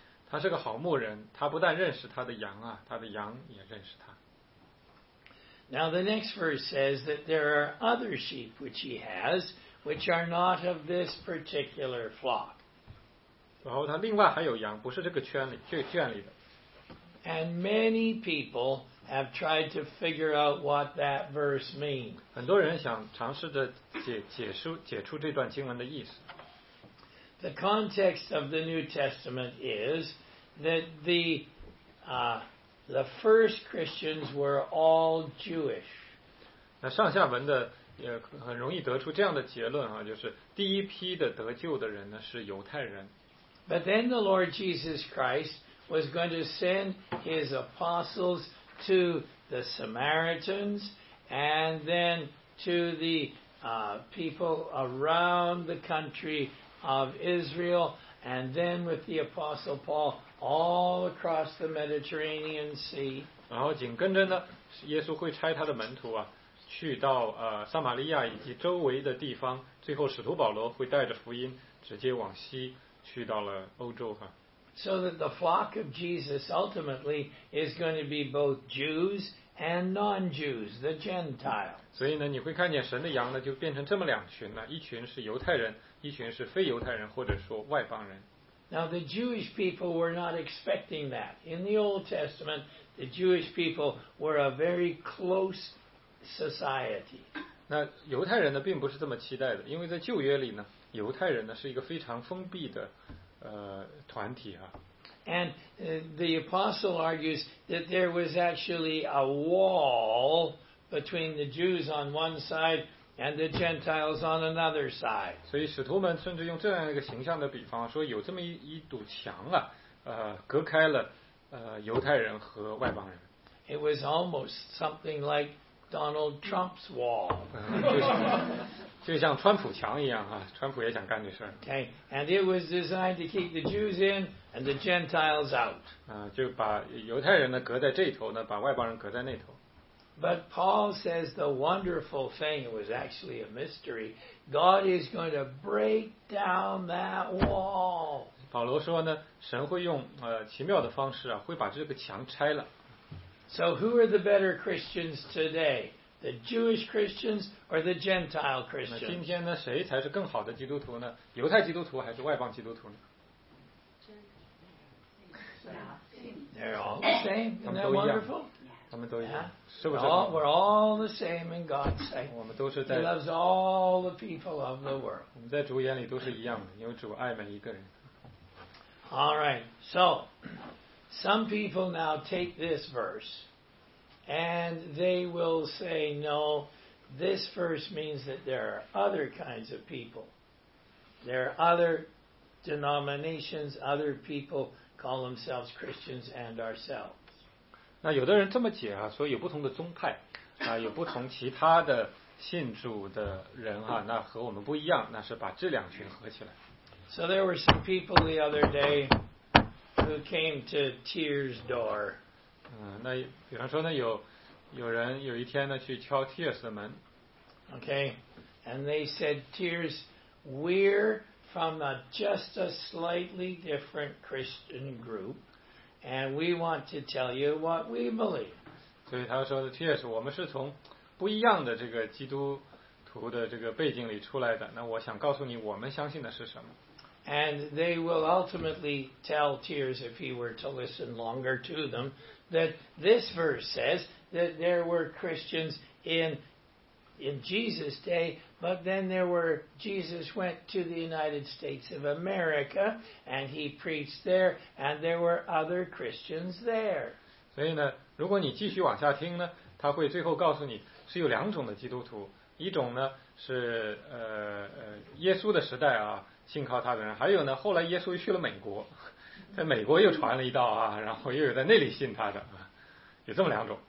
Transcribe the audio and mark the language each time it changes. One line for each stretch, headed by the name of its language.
Chinese: 他是个好牧人，他不但认识他的羊啊，他的羊也认识他。
English: Now the next verse says that there are other sheep which he has, which are not of this particular flock.
Chinese: 然后他另外还有羊，不是这个圈里的。
English: And many people have tried to figure out what that verse means.
Chinese: 很多人想尝试着解出这段经文的意思。
English: The context of the New Testament is that the first Christians were all Jewish.
Chinese: 那上下文的也很容易得出这样的结论啊，就是第一批的得救的人呢是犹太人。
English: But then the Lord Jesus Christ was going to send his apostles to the Samaritans and then to the people around the country of Israel And then with the Apostle Paul, all across the Mediterranean Sea.
Chinese: 然后紧跟着呢，耶稣会差他的门徒啊，去到撒玛利亚以及周围的地方。最后，使徒保罗会带着福音，直接往西去到了欧洲哈。
English: So that the flock of Jesus ultimately is going to be both Jews and non-Jews, the Gentile.
Chinese: 所以呢，你会看见神的羊呢，就变成这么两群呢，一群是犹太人，一群是非犹太人，或者说外邦人。
English: Now the Jewish people were not expecting that. In the Old Testament, the Jewish people were a very close society.
Chinese: 那犹太人呢，并不是这么期待的，因为在旧约里呢，犹太人呢是一个非常封闭的。团体啊。
English: And the apostle argues that there was actually a wall between the Jews on one side and the Gentiles on another side.
Chinese: 所以使徒们甚至用这样一个形象的比方，说有这么 一堵墙啊，隔开了犹太人和外邦人。
English: It was almost something like Donald Trump's wall.
Chinese: 就像川普墙一样啊，川普也想干这事儿。
English: Okay, and it was designed to keep the Jews in and the Gentiles out.
Chinese: 就把犹太人呢隔在这头呢，把外邦人隔在那头。
English: But Paul says the wonderful thing, it was actually a mystery, God is going to break down that wall.
Chinese: 保罗说呢，神会用奇妙的方式啊，会把这个墙拆了。
English: So who are the better Christians today? The Jewish Christians or the Gentile Christians?
Chinese: 那今天呢，谁才是更好的基督徒呢？犹太基督徒还是外邦基督徒呢？
English: They're all the same. Isn't that wonderful?
Chinese: 他们都一样，是不是？
English: We're all the same in God's sight.
Chinese: 我们都是在。
English: He loves all the people of the world.
Chinese: 我们在主眼里都是一样的，因为主爱每一个人。
English: All right. So, some people now take this verse. And they will say, no, this verse means that there are other kinds of people. There are other denominations, other people call themselves Christians and ourselves.
Chinese: 那有的人这么解啊，说有不同的宗派，啊，有不同其他的信主的人啊，那和我们不一样，那是把这两群合起来。
English: So there were some people the other day who came to Tears door.
Chinese: 那比方说呢，有人有一天呢去敲 Tears 的门。
English: Okay, and they said, Tears, we're from a just a slightly different Christian group, and we want to tell you what we believe.
Chinese: 所以他说的 Tears, 我们是从不一样的这个基督徒的这个背景里出来的，那我想告诉你我们相信的是什么。
English: And they will ultimately tell Tears, if he were to listen longer to them, that this verse says that there were Christians in Jesus' day, but then there were, Jesus went to the United States of America, and he preached there, and there were other Christians there.
Chinese: 所以呢，如果你继续往下听呢，他会最后告诉你是有两种的基督徒，一种呢是耶稣的时代啊。信靠他的人，还有呢，后来耶稣去了美国，在美国又传了一道啊，然后又有在那里信他的，有这么两种。